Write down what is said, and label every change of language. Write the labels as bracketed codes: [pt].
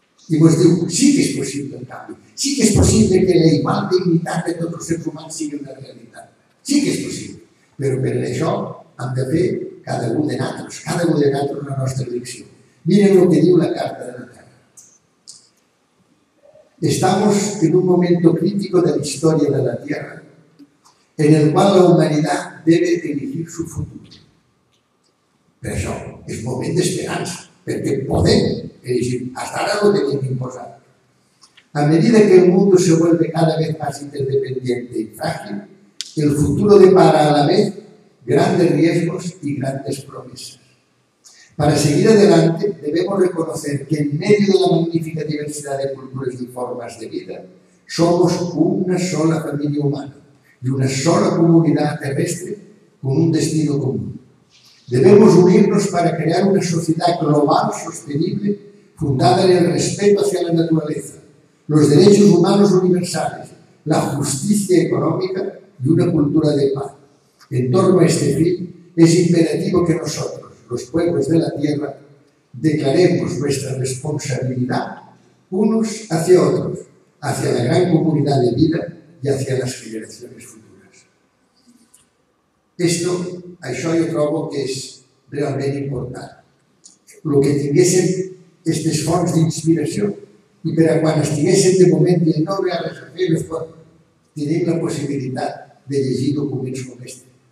[ca] I vos diu, sí que és possible el canvi, sí que és possible que la igual dignitat de tots els seres humans sigui una realitat, sí que és possible, però per això hem de fer cada un de nosaltres, cada un de nosaltres la nostra elecció. Mirem el que diu la Carta de la Terra. [es] Estamos en un momento crítico de la historia de la Tierra en el cual la humanidad debe elegir su futuro. [ca] Per això és moment d'esperança, perquè podem elegir. Hasta ara ho tenim imposat. [es] A medida que el mundo se vuelve cada vez más interdependiente y frágil, el futuro depara a la vez grandes riesgos y grandes promesas. Para seguir adelante, debemos reconocer que en medio de la magnífica diversidad de culturas y formas de vida, somos una sola familia humana y una sola comunidad terrestre con un destino común. Debemos unirnos para crear una sociedad global sostenible fundada en el respeto hacia la naturaleza, los derechos humanos universales, la justicia económica y una cultura de paz. En torno a este fin, es imperativo que nosotros, los pueblos de la Tierra, declaremos nuestra responsabilidad unos hacia otros, hacia la gran comunidad de vida y hacia las generaciones futuras. [ca] Esto, això jo trobo que és realment important. El que tinguessin aquestes fonts d'inspiració i per a quan estiguessin de moment i no hi ha res a fer, tenim la possibilitat de llegir documents com aquest.